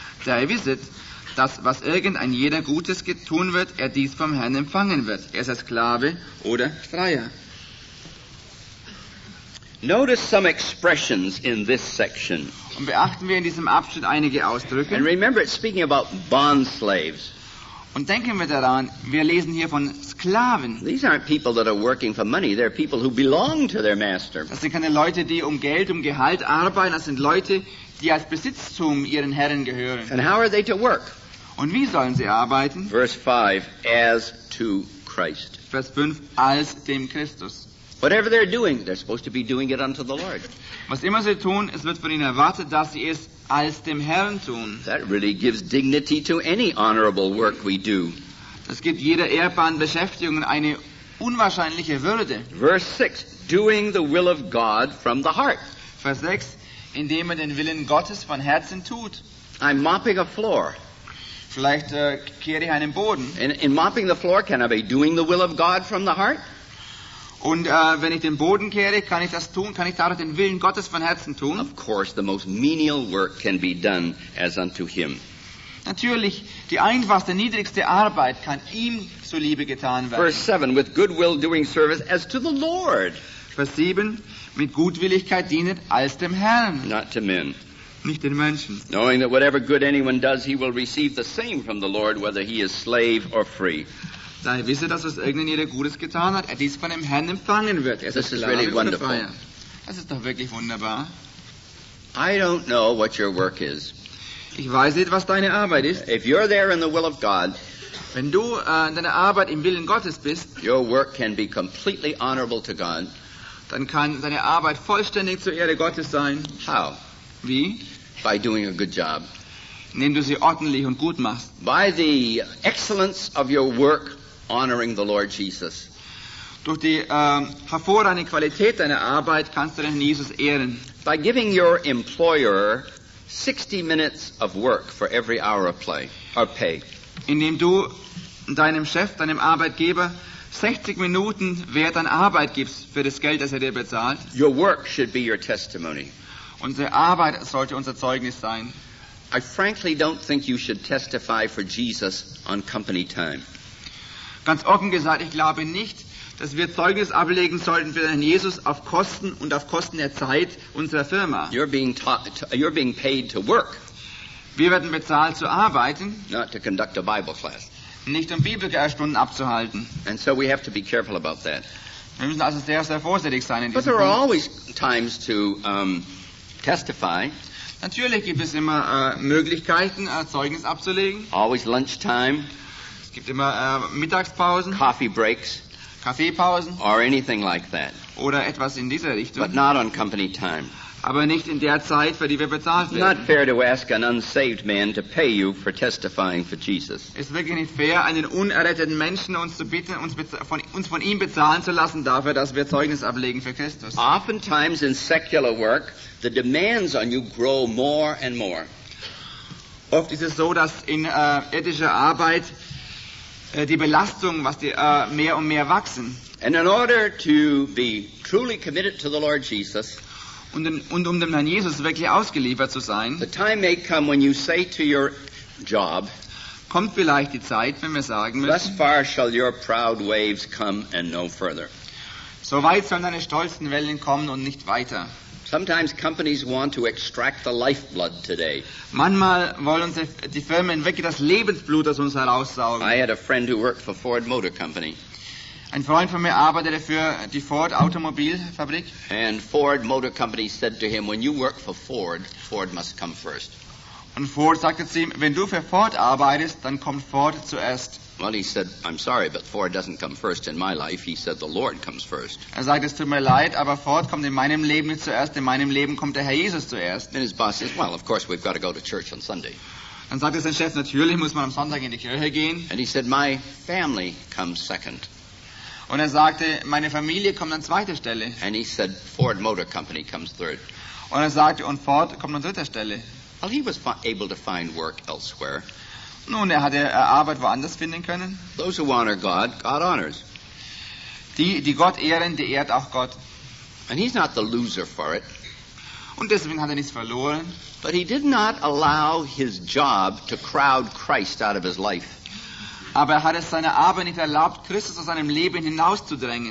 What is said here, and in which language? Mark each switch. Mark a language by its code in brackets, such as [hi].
[de] Da ihr wisset, dass was irgendein jeder Gutes tun wird, er dies vom Herrn empfangen wird. Er sei Sklave oder Freier. [en] Notice some expressions in this section. [de] Und beachten wir in diesem Abschnitt einige Ausdrücke. [en] And remember, it's speaking about bond slaves. [de] Und denken wir daran, wir lesen hier von Sklaven. [en] These aren't people that are working for money. They're people who belong to their master. [de] Das sind keine Leute, die um Geld, um Gehalt arbeiten. Das sind Leute, die als Besitztum ihren Herren gehören. [en] And how are they to work? [de] Und wie sollen sie arbeiten? [en] Verse 5, as to Christ. [de] Vers 5, als dem Christus. [en] Whatever they're doing, they're supposed to be doing it unto the Lord. [de] Was immer sie tun, es wird von ihnen erwartet, dass sie es als dem Herrn tun. [en] That really gives dignity to any honorable work we do. [de] Das gibt jeder ehrbaren Beschäftigung eine unwahrscheinliche Würde. [en] Verse 6, doing the will of God from the heart. [de] Vers 6, indem man den Willen Gottes von Herzen tut. [en] I'm mopping a floor. [de] Vielleicht kehre ich einen Boden. [en] In mopping the floor, can I be doing the will of God from the heart? [de] Und wenn ich den Boden kehre, kann ich das tun? Kann ich dadurch den Willen Gottes von Herzen tun? [en] Of course, the most menial work can be done as unto Him. [de] Natürlich, die einfachste, niedrigste Arbeit kann ihm zuliebe getan werden. [en] Verse 7, with goodwill doing service as to the Lord. [de] Vers 7, mit Gutwilligkeit dienet als dem Herrn. [en] Not to men. [de] Nicht den Menschen. [en] Knowing that whatever good anyone does, he will receive the same from the Lord, whether he is slave or free. [de] Da er wisse, dass es irgendjemand Gutes getan hat, er dies von dem Herrn empfangen wird. Es [en] This [de] ist klar, [en] is really wonderful. [de] Das ist doch wirklich wunderbar. [en] I don't know what your work is. [de] Ich weiß nicht, was deine Arbeit ist. [en] If you're there in the will of God, [de] wenn du in deiner Arbeit im Willen Gottes bist, [en] your work can be completely honorable to God. [de] Dann kann deine Arbeit vollständig zur Ehre Gottes sein. [en] How? [de] Wie? [en] By doing a good job. [de] Indem du sie ordentlich und gut machst. [en] By the excellence of your work. Honoring the Lord Jesus. [de] Durch die hervorragende Qualität deiner Arbeit kannst du den Herrn Jesus ehren. [en] By giving your employer 60 minutes of work for every hour of play or pay. [de] Indem du deinem Chef, deinem Arbeitgeber 60 Minuten Wert an Arbeit gibst für das Geld, das er dir bezahlt. [en] Your work should be your testimony. [de] Unsere Arbeit sollte unser Zeugnis sein. [en] I frankly don't think you should testify for Jesus on company time. [de] Ganz offen gesagt, ich glaube nicht, dass wir Zeugnis ablegen sollten für Herrn Jesus auf Kosten und auf Kosten der Zeit unserer Firma. [en] You're being paid to work. [de] Wir werden bezahlt zu arbeiten, [en] not to conduct a Bible class. [de] Nicht um Bibelstunden abzuhalten. [en] And so we have to be careful about that. [de] Wir müssen also sehr, sehr vorsichtig sein in diesem [en] But there [de] Punkt. [en] Are always times to testify. [de] Natürlich gibt es immer Möglichkeiten, Zeugnis abzulegen. [en] Always lunchtime. [de] Es gibt immer Mittagspausen. [en] Coffee breaks. [de] Kaffeepausen. [en] Or anything like that. [de] Oder etwas in dieser Richtung. [en] But not on company time. [de] Aber nicht in der Zeit, für die wir bezahlt werden. [en] Not fair to ask an unsaved man to pay you for testifying for Jesus. [de] Es ist wirklich nicht fair, einen unerretteten Menschen uns zu bitten, uns von ihm bezahlen zu lassen dafür, dass wir Zeugnis ablegen für Christus. [en] Oftentimes in secular work, the demands on you grow more and more. [de] Oft ist es so, dass in ethischer Arbeit die Belastung, was die mehr und mehr wachsen. [en] And in order to be truly committed to the Lord Jesus. [de] Und um dem Herrn Jesus wirklich ausgeliefert zu sein. [en] The time may come when you say to your job. [de] Kommt vielleicht die Zeit, wenn wir sagen müssen. [en] Thus far shall your proud waves come and no further. [de] So weit sollen deine stolzen Wellen kommen und nicht weiter. [en] Sometimes companies want to extract the lifeblood today. [de] Manchmal wollen die Firmen wirklich das Lebensblut aus uns heraussaugen. [en] I had a friend who worked for Ford Motor Company. [de] Ein Freund von mir arbeitete für die Ford Automobilfabrik. [en] And Ford Motor Company said to him, when you work for Ford, Ford must come first. [de] Und Ford sagte zu ihm, wenn du für Ford arbeitest, dann kommt Ford zuerst. [en] Well, he said, I'm sorry, but Ford doesn't come first in my life. He said, the Lord comes first. [de] Er sagte, es tut mir leid, aber Ford kommt in meinem Leben nicht zuerst. In meinem Leben kommt der Herr Jesus zuerst. [en] Then his boss says, well, of course, we've got to go to church on Sunday. [de] Dann sagte sein Chef, natürlich muss man am Sonntag in die Kirche gehen. [en] And he said, my family comes second. [de] Und er sagte, meine Familie kommt an zweiter Stelle. [en] And he said, Ford Motor Company comes third. [de] Und er sagte, und Ford kommt an dritter Stelle. [en] Well, he was able to find work elsewhere. [de] Nun, er hatte Arbeit woanders finden können. [en] Those who honor God, God honors. [de] Die Gott ehren, die ehrt auch Gott. [en] And he's not the loser for it. [de] Und deswegen hat er nichts verloren. [en] But he did not allow his job to crowd Christ out of his life. [de] Aber er hat es seiner Arbeit nicht erlaubt, Christus aus seinem Leben hinauszudrängen.